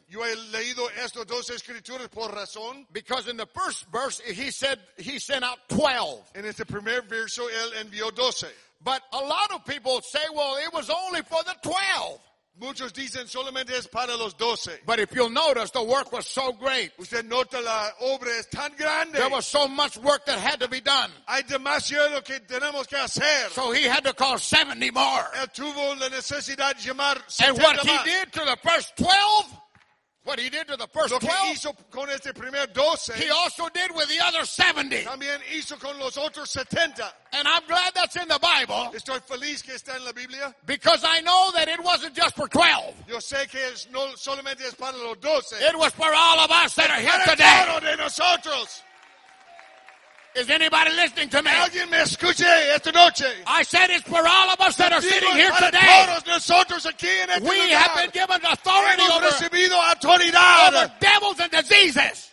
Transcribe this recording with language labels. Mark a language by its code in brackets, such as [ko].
[es] Yo he leído estos dos escrituras por razón. [en] Because in the first verse he said he sent out 12. [es] En este primer verso él envió 12. [en] But a lot of people say, well, it was only for the 12. [es] Muchos dicen solamente es para los 12. [en] But if you'll notice, the work was so great. [es] Usted nota la obra es tan grande. [en] There was so much work that had to be done. [es] Hay demasiado que tenemos que hacer. [en] So he had to call 70 more. [es] Él tuvo la necesidad de llamar 70 [en] and what [es] más. [en] He did to the first 12. What he did to the first 12. [es] Lo que hizo con este primer 12. [en] He also did with the other 70. [es] También hizo con los otros 70. [en] And I'm glad that's in the Bible. [es] Estoy feliz que está en la Biblia. [en] Because I know that it wasn't just for 12. [es] Yo sé que es no solamente es para los 12. [en] It was for all of us that are here today. [es] Para todos de nosotros. [en] Is anybody listening to me? [es] ¿Alguien me escuche esta noche? [en] I said it's for all of us that are sitting here today. We have been given authority over devils and diseases.